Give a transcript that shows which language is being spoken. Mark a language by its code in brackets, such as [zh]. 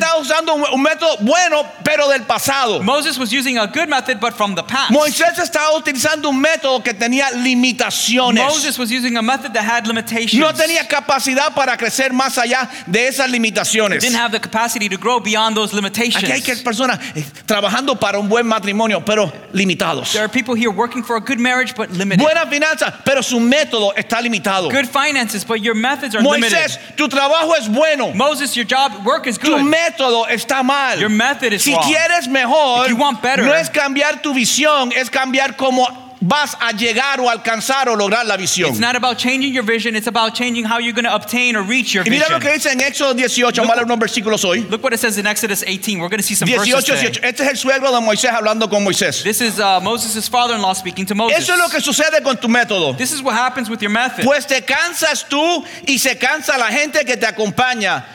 [es] Moisés estaba usando un método bueno, pero del pasado. [en] Moses was using a good method, but from the past. [es] Moisés estaba utilizando un método que tenía limitaciones. [en] Moses was using a method that had limitations. [es] No tenía capacidad para crecer más allá de esas limitaciones. [en] Didn't have the capacity to grow beyond those limitations. [es] Aquí hay personas trabajando para un buen matrimonio, pero limitados. [en] There are people here working for a good marriage, but limited. [es] Buena finanza, pero su método está limitado. [en] Good finances, but your methods are [es] Moisés, [en] limited. [es] Moisés, tu trabajo es bueno. [en] Moses, your job work is good. [es] Tu método está mal. [en] Your method is [es] si [en] wrong. [es] Si quieres mejor, [en] if you want better, [es] no es cambiar tu visión, es cambiar cómo vas a llegar o alcanzar o lograr la visión. [en] It's not about changing your vision, it's about changing how you're going to obtain or reach your vision. [es] Y mira lo que dice en Éxodo 18, vamos a leer unos versículos hoy. [en] Look what it says in Exodus 18. We're going to see some 18, verses today. [es] Este es el suegro de Moisés hablando con Moisés. [en] This is Moses' father-in-law speaking to Moses. [es] Eso es lo que sucede con tu método. [en] This is what happens with your method. [es] Pues te cansas tú y se cansa la gente que te acompaña.